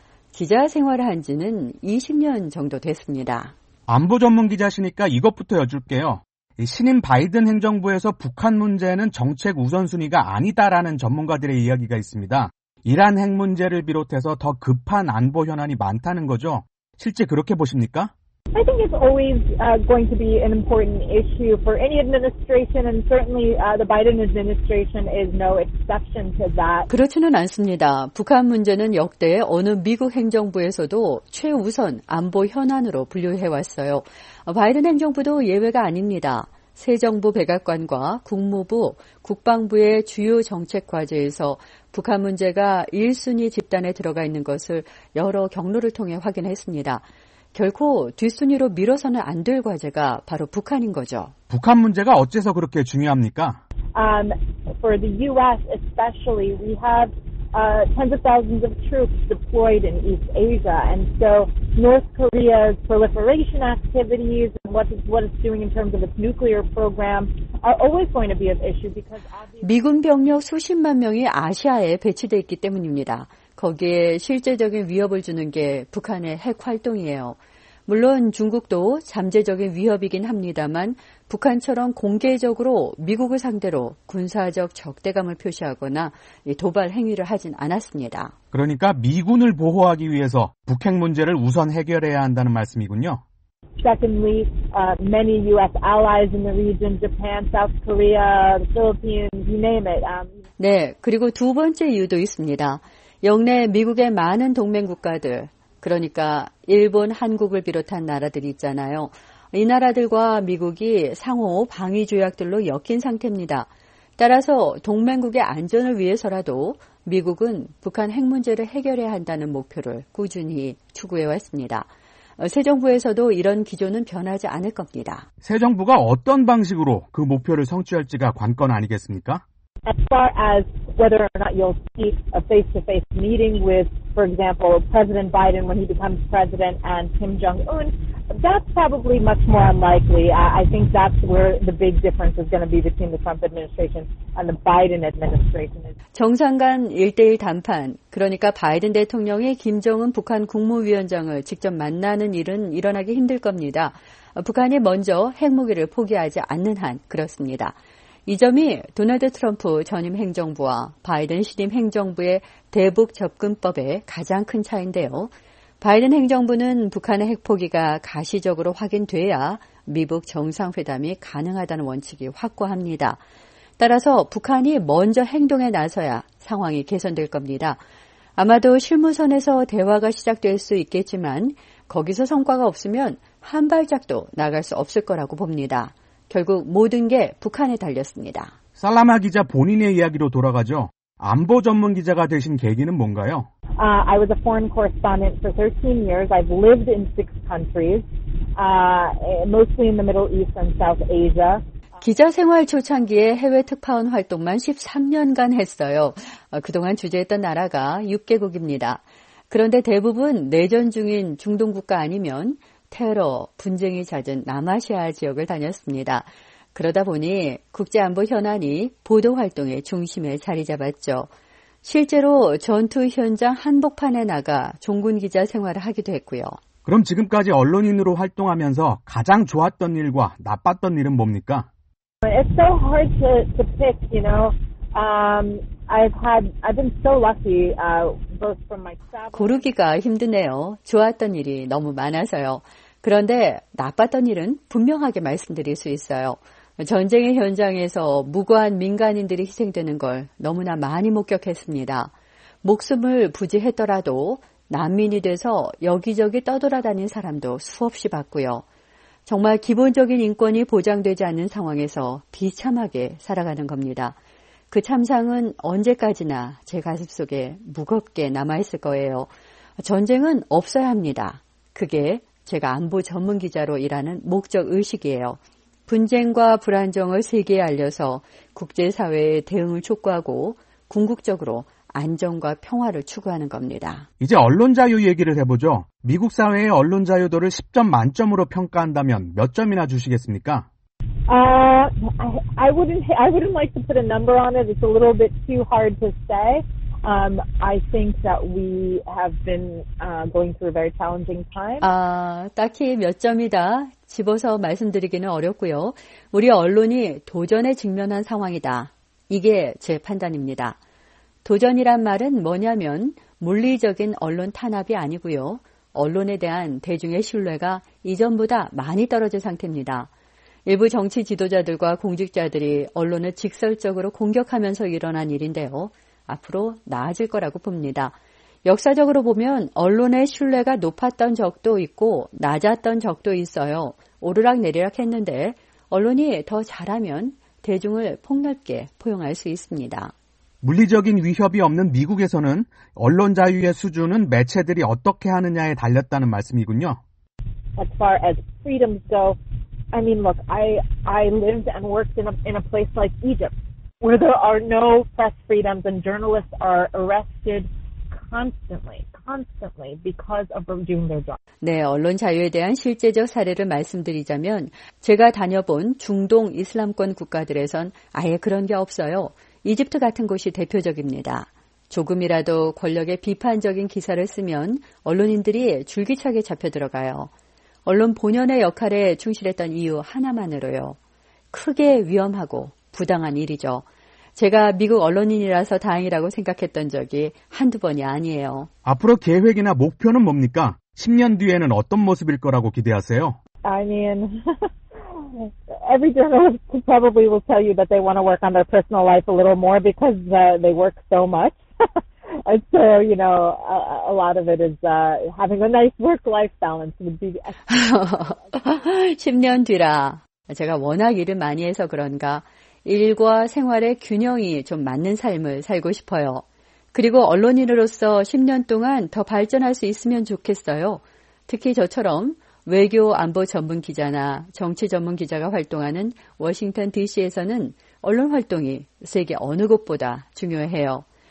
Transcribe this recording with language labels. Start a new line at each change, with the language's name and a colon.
Korean: 기자 생활을 한 지는 20년 정도 됐습니다. 안보 전문 기자시니까 이것부터 여쭐게요. 신임 바이든 행정부에서 북한 문제는 정책 우선순위가 아니다라는 전문가들의 이야기가 있습니다. 이란 핵 문제를 비롯해서 더 급한 안보 현안이 많다는 거죠. 실제 그렇게 보십니까?
English: I think it's always going to be an important issue for any administration, and certainly the Biden administration is no exception to that.
Korean: 그렇지는 않습니다. 북한 문제는 역대 어느 미국 행정부에서도 최우선 안보 현안으로 분류해왔어요. 바이든 행정부도 예외가 아닙니다. 새 정부 백악관과 국무부, 국방부의 주요 정책 과제에서 북한 문제가 1순위 집단에 들어가 있는 것을 여러 경로를 통해 확인했습니다. 결코 뒷순위로 밀어서는 안 될 과제가 바로 북한인 거죠. 북한 문제가 어째서 그렇게 중요합니까?
English: For the U.S. especially, we have tens of thousands of troops deployed in East Asia, and so North Korea's proliferation activities and what it's doing in terms of its nuclear program are always going to be of issue because obviously
Korean: 미군 병력 수십만 명이 아시아에 배치돼 있기 때문입니다. 거기에 실제적인 위협을 주는 게 북한의 핵 활동이에요. 물론 중국도 잠재적인 위협이긴 합니다만 북한처럼 공개적으로 미국을 상대로 군사적 적대감을 표시하거나 도발 행위를 하진 않았습니다. 그러니까 미군을 보호하기 위해서 북핵 문제를 우선 해결해야 한다는 말씀이군요.
English: Secondly, many U.S. allies in the region, Japan, South Korea, the Philippines, you name it.
Korean: 네, 그리고 두 번째 이유도 있습니다. 역내 미국의 많은 동맹 국가들, 그러니까 일본, 한국을 비롯한 나라들이 있잖아요. 이 나라들과 미국이 상호 방위 조약들로 엮인 상태입니다. 따라서 동맹국의 안전을 위해서라도 미국은 북한 핵 문제를 해결해야 한다는 목표를 꾸준히 추구해왔습니다. 새 정부에서도 이런 기조는 변하지 않을 겁니다. 새 정부가 어떤 방식으로 그 목표를 성취할지가 관건 아니겠습니까?
English: As far as whether or not you'll see a face-to-face meeting with, for example, President Biden when he becomes president and Kim Jong-un, that's probably much more unlikely. I think that's where the big difference is going to be between the Trump administration and the Biden administration.
Korean: 정상 간 1대1 담판, 그러니까 바이든 대통령이 김정은 북한 국무위원장을 직접 만나는 일은 일어나기 힘들 겁니다. 북한이 먼저 핵무기를 포기하지 않는 한 그렇습니다. 이 점이 도널드 트럼프 전임 행정부와 바이든 신임 행정부의 대북 접근법의 가장 큰 차이인데요. 바이든 행정부는 북한의 핵포기가 가시적으로 확인돼야 미북 정상회담이 가능하다는 원칙이 확고합니다. 따라서 북한이 먼저 행동에 나서야 상황이 개선될 겁니다. 아마도 실무선에서 대화가 시작될 수 있겠지만 거기서 성과가 없으면 한 발짝도 나갈 수 없을 거라고 봅니다. 결국 모든 게 북한에 달렸습니다. 살라마 기자 본인의 이야기로 돌아가죠. 안보 전문 기자가 되신 계기는 뭔가요?
English: I was a foreign correspondent for 13 years. I've lived in six countries, mostly in the Middle East and South Asia.
Korean: 기자 생활 초창기에 해외 특파원 활동만 13년간 했어요. 그동안 주재했던 나라가 6개국입니다. 그런데 대부분 내전 중인 중동 국가 아니면 테러, 분쟁이 잦은 남아시아 지역을 다녔습니다. 그러다 보니 국제안보 현안이 보도활동의 중심에 자리 잡았죠. 실제로 전투 현장 한복판에 나가 종군 기자 생활을 하기도 했고요. 그럼 지금까지 언론인으로 활동하면서 가장 좋았던 일과 나빴던 일은 뭡니까?
English: It's so hard to pick, you know. I've been so lucky both from my travel.
Korean: 고르기가 힘드네요. 좋았던 일이 너무 많아서요. 그런데 나빴던 일은 분명하게 말씀드릴 수 있어요. 전쟁의 현장에서 무고한 민간인들이 희생되는 걸 너무나 많이 목격했습니다. 목숨을 부지했더라도 난민이 돼서 여기저기 떠돌아다닌 사람도 수없이 봤고요. 정말 기본적인 인권이 보장되지 않는 상황에서 비참하게 살아가는 겁니다. 그 참상은 언제까지나 제 가슴 속에 무겁게 남아있을 거예요. 전쟁은 없어야 합니다. 그게 제가 안보 전문 기자로 일하는 목적 의식이에요. 분쟁과 불안정을 세계에 알려서 국제사회의 대응을 촉구하고 궁극적으로 안정과 평화를 추구하는 겁니다. 이제 언론 자유 얘기를 해보죠. 미국 사회의 언론 자유도를 10점 만점으로 평가한다면 몇 점이나 주시겠습니까?
English: I wouldn't like to put a number on it. It's a little bit too hard to say. I think that we have been going through a very challenging time.
Korean: 딱히 몇 점이다 집어서 말씀드리기는 어렵고요. 우리 언론이 도전에 직면한 상황이다. 이게 제 판단입니다. 도전이란 말은 뭐냐면 물리적인 언론 탄압이 아니고요. 언론에 대한 대중의 신뢰가 이전보다 많이 떨어진 상태입니다. 일부 정치 지도자들과 공직자들이 언론을 직설적으로 공격하면서 일어난 일인데요. 앞으로 나아질 거라고 봅니다. 역사적으로 보면 언론의 신뢰가 높았던 적도 있고 낮았던 적도 있어요. 오르락내리락 했는데 언론이 더 잘하면 대중을 폭넓게 포용할 수 있습니다. 물리적인 위협이 없는 미국에서는 언론 자유의 수준은 매체들이 어떻게 하느냐에 달렸다는 말씀이군요.
English: As far as freedoms go, I mean, look, I lived and worked in a place like Egypt, where there are no press freedoms and journalists are arrested constantly because of doing their job.
Korean: 네, 언론 자유에 대한 실제적 사례를 말씀드리자면 제가 다녀본 중동 이슬람권 국가들에선 아예 그런 게 없어요. 이집트 같은 곳이 대표적입니다. 조금이라도 권력에 비판적인 기사를 쓰면 언론인들이 줄기차게 잡혀들어가요. 언론 본연의 역할에 충실했던 이유 하나만으로요. 크게 위험하고 부당한 일이죠. 제가 미국 언론인이라서 다행이라고 생각했던 적이 한두 번이 아니에요. 앞으로 계획이나 목표는 뭡니까? 10년 뒤에는 어떤 모습일 거라고 기대하세요?
English: I mean... Every journalist probably will tell you that they want to work on their personal life a little more because they work so much. And so, you know, a lot of it is having a nice work-life balance would be.
Korean: 10년 뒤라. 제가 워낙 일을 많이 해서 그런가 일과 생활의 균형이 좀 맞는 삶을 살고 싶어요. 그리고 언론인으로서 10년 동안 더 발전할 수 있으면 좋겠어요. 특히 저처럼 외교 안보 전문 기자나 정치 전문 기자가 활동하는 워싱턴 DC에서는 언론 활동이 세계 어느 곳보다 중요해요.